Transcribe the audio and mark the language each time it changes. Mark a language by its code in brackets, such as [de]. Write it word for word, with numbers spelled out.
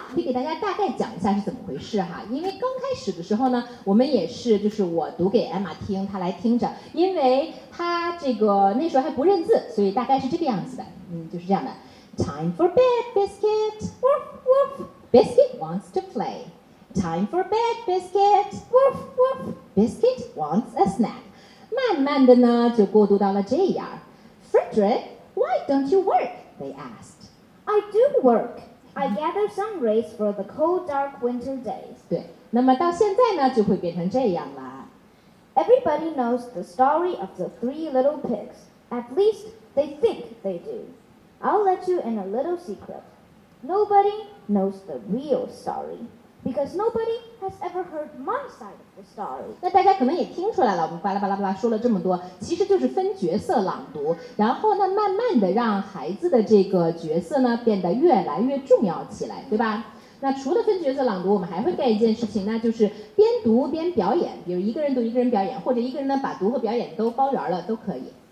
[zh] 可以给大家大概讲一下是怎么回事哈。因为刚开始的时候呢，我们也是就是我读给 Emma 听，她来听着，因为她这个那时候还不认字，所以大概是这个样子的，嗯，就是这样的。 [en] Time for bed, biscuit. Woof woof. Biscuit wants to play. Time for bed, biscuit. Woof woof. Biscuit wants a snack. [zh] 慢慢的呢，就过渡到了这样。 [en] Frederick, why don't you work? They asked. I do work. I gather some rays for the cold, dark winter days. [zh] 对，那么到现在呢，就会变成这样啦。 [en] Everybody knows the story of the three little pigs. At least they think they do. I'll let you in a little secret. Nobody knows the real story. Because nobody has ever heard my side of the story. [zh] 那大家可能也听出来了，我们巴拉巴拉巴拉说了这么多，其实就是分角色朗读，然后呢，慢慢的让孩子的这个角色呢变得越来越重要起来，对吧？那除了分角色朗读，我们还会干一件事情，那就是边读边表演，比如一个人读一个人表演，或者一个人呢把读和表演都包圆了，都可以。